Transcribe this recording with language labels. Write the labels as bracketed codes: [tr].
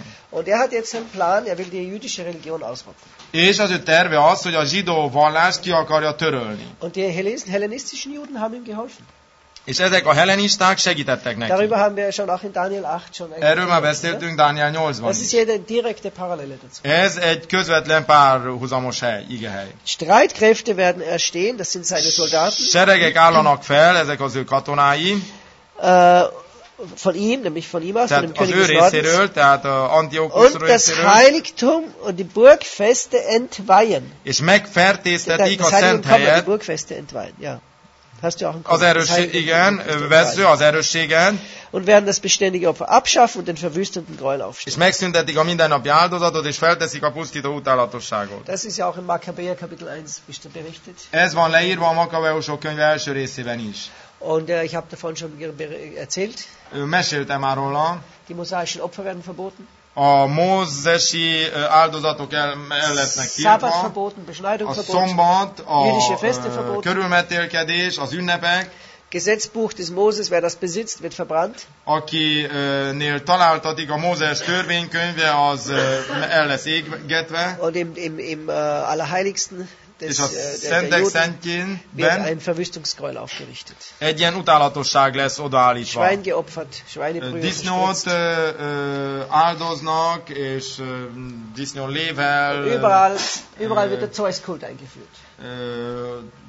[de] Und er hat jetzt einen Plan, er will die jüdische Religion ausrotten. [hu] És az ő terve az, hogy a zsidó vallást ki akarja törölni. [de] Und die hellenistischen Juden haben ihm geholfen. [hu] És ezek a hellenisták segítettek neki. [de] Darüber haben wir schon auch in Daniel 8 schon. [hu] Erről már beszéltünk Daniel 8-ban. [de] Das ist hier eine direkte Parallele dazu. [hu] Ez egy közvetlen párhuzamos igehely. [de] Streitkräfte werden erstehen, das sind seine Soldaten. [hu] Seregek állanak fel, ezek az ő katonái. [de] Von ihm, nämlich von ihm aus, [hu] tehát [de] von dem König des Nordens. [hu] Az ő részéről, tehát Antiochus részéről. [de] Und das Heiligtum und die Burgfeste entweihen. [hu] És megfertésztetik a szent helyet. [de] Die Burgfeste entweihen, ja. [hu] Az erősség, igen, vesző az erősségen. [de] Und werden das beständige Opfer abschaffen und den verwüstenden Gräuel aufstellen. [hu] És megszüntetik a mindennapi áldozatot, és felteszik a pusztító utálatosságot. [de] Das ist ja auch in Makkabäer Kapitel 1 berichtet. [hu] Ez van leírva a Makkabeusok könyve első részében is. [de] Und ich habe davon schon erzählt. [hu] Meséltem már róla. [de] Die mosaischen Opfer werden verboten. [hu] A mózesi áldozatok el lesznek tiltva. A szombat, a körülmetélkedés, az ünnepek. [de] Gesetzbuch des Moses, wer das besitzt, wird verbrannt. [hu] Akinél találtatik a Mózes törvénykönyve, az el lesz égetve. [de] Und im Allerheiligsten [hu] és a szentek szentjénben [de] ein Verwüstungsgräuel aufgerichtet. [hu] Egy ilyen utálatosság lesz odaállítva. [de] Schwein geopfert, Schweineprügel. [hu] Disznót áldoznak, és disznó lével. [de] Überall wird der Zeuskult eingeführt.